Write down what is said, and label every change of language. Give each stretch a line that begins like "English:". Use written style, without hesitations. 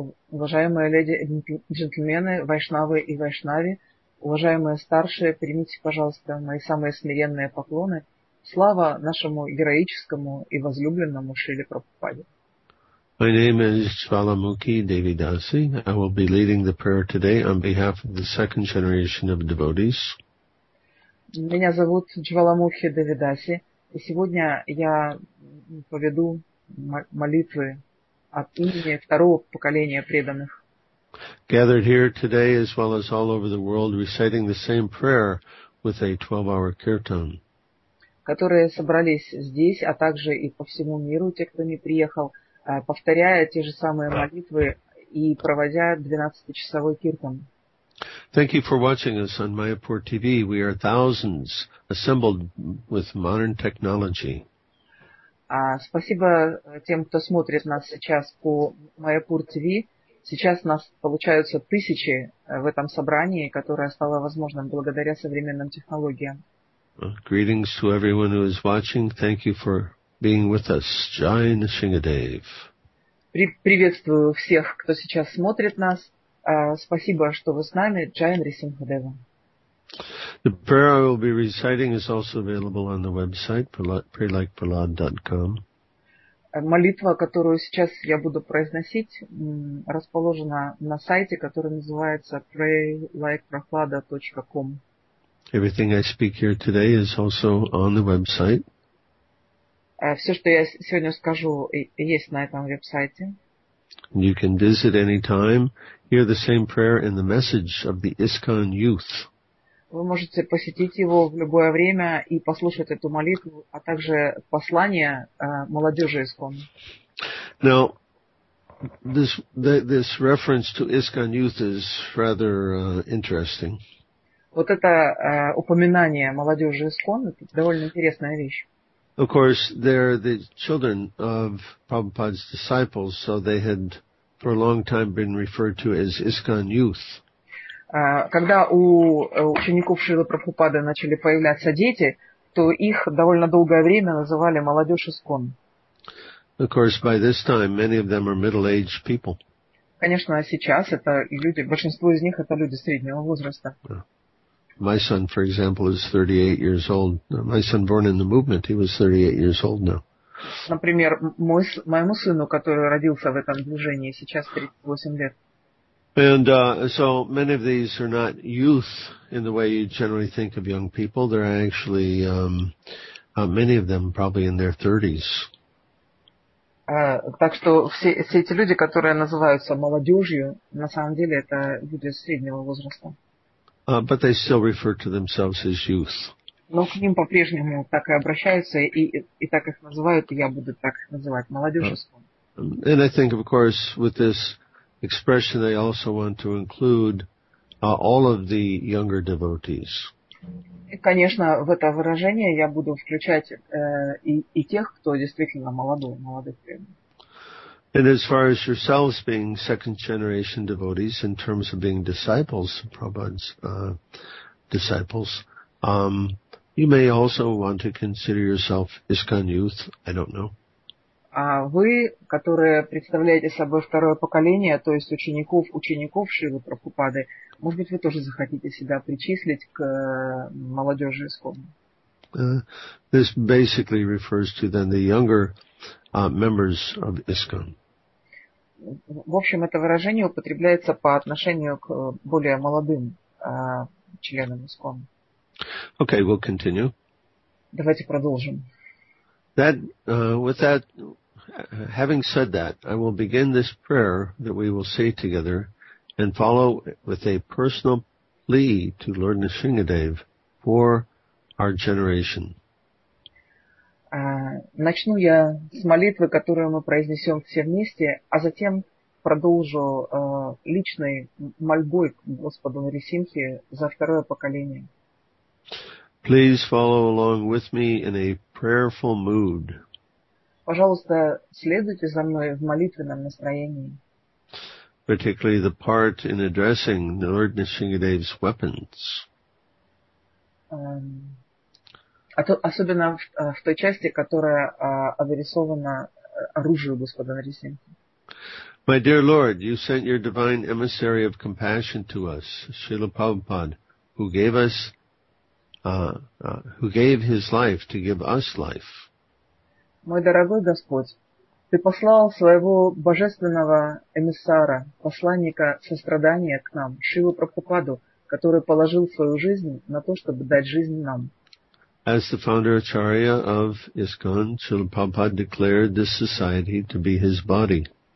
Russian: Уважаемые леди и джентльмены, вайшнавы и вайшнави, уважаемые старшие, примите, пожалуйста, мои самые смиренные поклоны. Слава нашему героическому и возлюбленному Шриле Прабхупаде.
English: My name is Jvalamukhi Devidasi. I will be leading the prayer today on behalf of the second generation of devotees.
Russian: Меня зовут Jvalamukhi Devidasi, и сегодня я поведу молитвы от имени второго поколения преданных.
English: Gathered here today, as well as all over the world, reciting the same prayer with a 12-hour kirtan.
Russian: Которые собрались здесь, а также и по всему миру, те, кто не приехал, повторяя те же самые молитвы и проводя 12-часовой киртан.
English: Thank you for watching us on Mayapur TV. We are thousands assembled with modern technology.
Russian: Спасибо тем, кто смотрит нас сейчас по Mayapur TV. Сейчас нас получаются тысячи в этом собрании, которое стало возможным благодаря современным технологиям.
English: Greetings to everyone who is watching. Thank you for being with us. Jai Nrisimhadev.
Russian: Приветствую всех, кто сейчас смотрит нас. Спасибо, что вы с нами. Jai Nrisimhadev.
English: The prayer I will be reciting is also available on the website prelikeprahlad.com.
Russian: Молитва, которую сейчас я буду произносить, расположена на сайте, который называется prelikeprahlada.com.
English: Everything I speak here today is also on the website.
Russian: Все, что я сегодня скажу, есть на этом веб-сайте.
English: You can visit any time, hear the same prayer in the message of the ISKCON youth.
Russian: Вы можете посетить его в любое время и послушать эту молитву, а также послание молодежи ISKCON.
English: Now, this reference to ISKCON youth is rather interesting.
Russian: Вот это упоминание молодежи ISKCON – это довольно интересная вещь.
English: Of course, they're the children of Prabhupada's disciples, so they had for a long time been referred to as ISKCON youth.
Russian: Когда у учеников Шрилы Прабхупады начали появляться дети, то их довольно долгое время называли молодежь ISKCON.
English: Of course, by this time, many of them are middle-aged people.
Russian: Конечно, сейчас это люди, большинство из них это люди среднего возраста.
English: My son, for example, is 38 years old. My son born in the movement, he was 38 years old now.
Russian: Например, моему сыну, который родился в этом движении, сейчас 38 лет.
English: And so many of these are not youth in the way you generally think of young people. They're actually, many of them probably in their 30s.
Russian: Так что все эти люди, которые называются молодежью, на самом деле это люди среднего возраста.
English: But they still refer to themselves as youth.
Russian: Но к ним по-прежнему так и обращаются, и так их называют, и я буду так их называть, молодежеством.
English: And I think, of course, with this expression, they also want to include all of the younger devotees.
Russian: И, конечно, в это выражение я буду включать и тех, кто действительно молодых преданных.
English: And as far as yourselves being second-generation devotees, in terms of being disciples, Prabhupada's disciples, you may also want to consider yourself ISKCON youth. I don't know.
Russian: Вы, которые представляете собой второе поколение, то есть учеников Шрилы Прабхупады, может быть, вы тоже захотите себя причислить к молодежи ISKCON?
English: This basically refers to then the younger members of ISKCON.
Russian: В общем, это выражение употребляется по отношению к более молодым членам ISKCON.
English: Okay, we'll continue.
Russian: Давайте продолжим.
English: That, with that, having said that, I will begin this prayer that we will say together and follow with a personal plea to Lord Nrisimhadev for our generation.
Russian: Начну я с молитвы, которую мы произнесем все вместе, а затем продолжу личной мольбой к Господу Нрисимхе за второе поколение.
English: Please follow along with me in a prayerful mood.
Russian: Пожалуйста, следуйте за мной в молитвенном настроении.
English: Particularly the part in addressing Lord Nrisimhadev's weapons.
Russian: Особенно в той части, которая адресована оружию Господа Нрисимхи.
English: My dear Lord, you sent your divine emissary of compassion to us, Srila Prabhupada, who gave us who gave his life to give us life.
Russian: Мой дорогой Господь, ты послал своего божественного эмиссара, посланника сострадания к нам, Шрилу Прабхупаду, который положил свою жизнь на то, чтобы дать жизнь нам.
English: As the founder Acharya of ISKCON, Srila Prabhupada declared this society to be his body.